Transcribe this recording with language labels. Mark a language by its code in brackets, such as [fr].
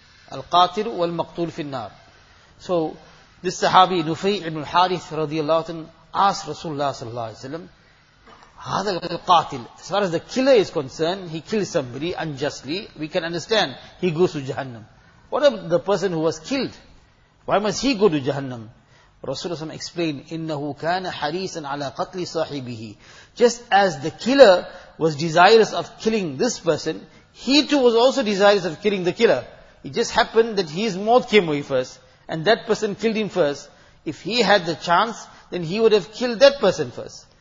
[ar] Al-Qatir wal-Maqtul fi-Nar. [en] So, this Sahabi, Nufay ibn al-Harith radiallahu anhu, asked Rasulullah sallallahu alayhi wa sallam, [ar] هذا القاتل, [en] as far as the killer is concerned, he kills somebody unjustly, we can understand, he goes to Jahannam. What about the person who was killed? Why must he go to Jahannam? Rasulullah SAW explained, [ar] إِنَّهُ كَانَ حَرِيسًا عَلَىٰ قَتْلِ صَاحِبِهِ. [en] Just as the killer was desirous of killing this person, he too was also desirous of killing the killer. It just happened that his mouth came away first, and that person killed him first. If he had the chance, then he would have killed that person first.